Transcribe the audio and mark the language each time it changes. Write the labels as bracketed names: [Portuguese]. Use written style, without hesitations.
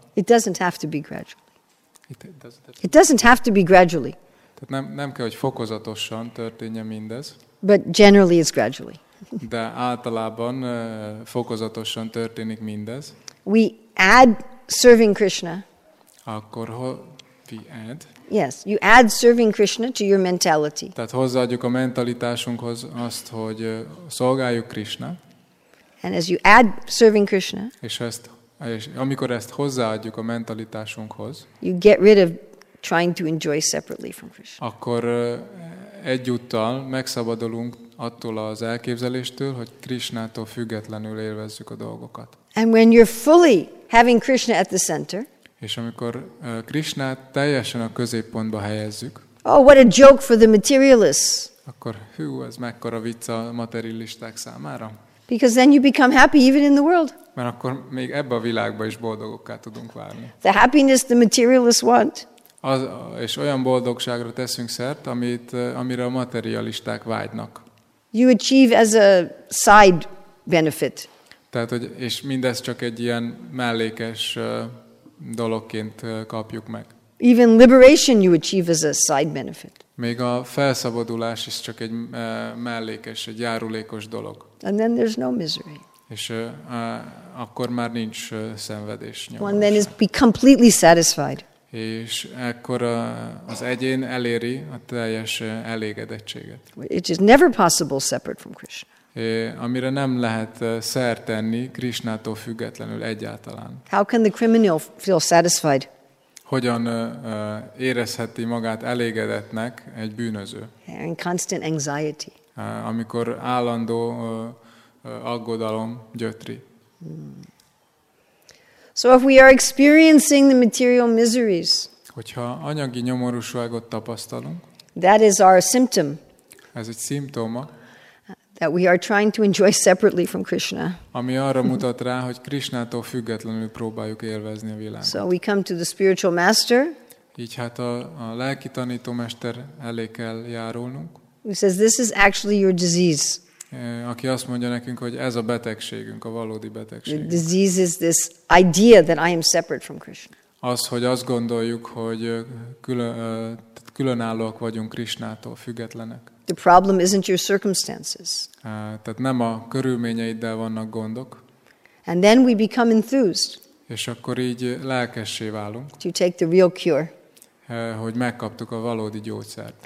[English] It doesn't have to be gradually. It doesn't have to be gradually. [Hungarian] Tehát nem kell, hogy fokozatosan történjen mindez. [English] But generally it's gradually. [Hungarian] De általában fokozatosan történik mindez. [English] We add serving Krishna. [Hungarian] Akkor [English] we add? Yes, you add serving Krishna to your mentality. [Hungarian] Tehát hozzáadjuk a mentalitásunkhoz azt, hogy szolgáljuk Krishna. [English] And as you add serving Krishna. [Hungarian] És amikor ezt hozzáadjuk a mentalitásunkhoz. [English] You get rid of trying to enjoy separately from Krishna. [Hungarian] Akkor egyúttal megszabadulunk attól az elképzeléstől, hogy Krisnától függetlenül élvezzük a dolgokat. [English] And when you're fully having Krishna at the center. [Hungarian] És amikor Krisnát teljesen a középpontba helyezzük. [English] Oh, what a joke for the materialists. [Hungarian] Akkor hú, ez mekkora vicc a materialisták számára. [English] Because then you become happy even in the world. [Hungarian] Mert akkor még ebbe a világba is boldogokká tudunk válni. [English] The happiness the materialists want. [Hungarian] Az, és olyan boldogságra teszünk szert, amit, amire a materialisták vágynak. [English] You achieve as a side benefit. [Hungarian] Tehát, hogy, és mindez csak egy ilyen mellékes dologként kapjuk meg. [English] Even liberation you achieve as a side benefit. [Hungarian] Még a felszabadulás is csak egy mellékes, egy járulékos dolog. [English] And then there's no misery. [Hungarian] És akkor már nincs szenvedés. Nyomás. [English] One then is completely satisfied. [Hungarian] És akkor az egyén eléri a teljes elégedettséget. [English] It is never possible separate from Krishna. [Hungarian] Amire nem lehet szert tenni Krisnától függetlenül egyáltalán. [English] How can the criminal feel satisfied? [Hungarian] Hogyan érezheti magát elégedetnek egy bűnöző? [English] And constant anxiety. [Hungarian] Amikor állandó aggodalom gyötri. [English] So if we are experiencing the material miseries. [Hungarian] Hogyha anyagi nyomorúságot tapasztalunk. [English] That is our symptom. [Hungarian] Ez egy szimptoma. [English] That we are trying to enjoy separately from Krishna. [Hungarian] Ami arra mutat rá, hogy Krisnától függetlenül próbáljuk élvezni a világot. [English] So we come to the spiritual master. [Hungarian] Így hát a lelki tanító mester elé kell járulnunk. [English] Who says this is actually your disease. [Hungarian] Aki azt mondja nekünk, hogy ez a betegségünk, a valódi betegségünk. [English] The disease is this idea that I am separate from Krishna. [Hungarian] Az, hogy azt gondoljuk, hogy különállóak vagyunk Krisnától, függetlenek. [English] The problem isn't your circumstances. [Hungarian] Tehát nem a körülményeiddel vannak gondok. [English] And then we become enthused. [Hungarian] És akkor így lelkessé válunk. [English] To take the real cure. [Hungarian] Hogy megkaptuk a valódi gyógyszert.